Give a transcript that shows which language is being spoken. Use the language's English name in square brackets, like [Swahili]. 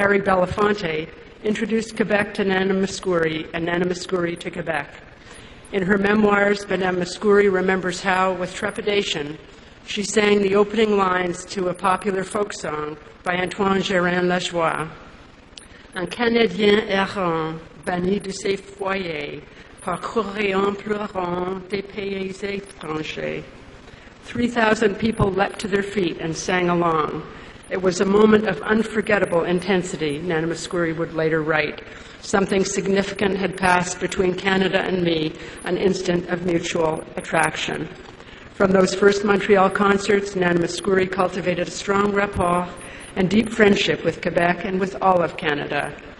[English] Harry Belafonte, introduced Quebec to Nana Mouskouri and Nana Mouskouri to Quebec. In her memoirs, Madame Mouskouri remembers how, with trepidation, she sang the opening lines to a popular folk song by Antoine Gérin Lajoie. [French] Un Canadien errant, banni de ses foyers, parcourait en pleurant des pays étrangers. [English] 3,000 people leapt to their feet and sang along. It was a moment of unforgettable intensity, Nana Mouskouri would later write. Something significant had passed between Canada and me, an instant of mutual attraction. From those first Montreal concerts, Nana Mouskouri cultivated a strong rapport and deep friendship with Quebec and with all of Canada.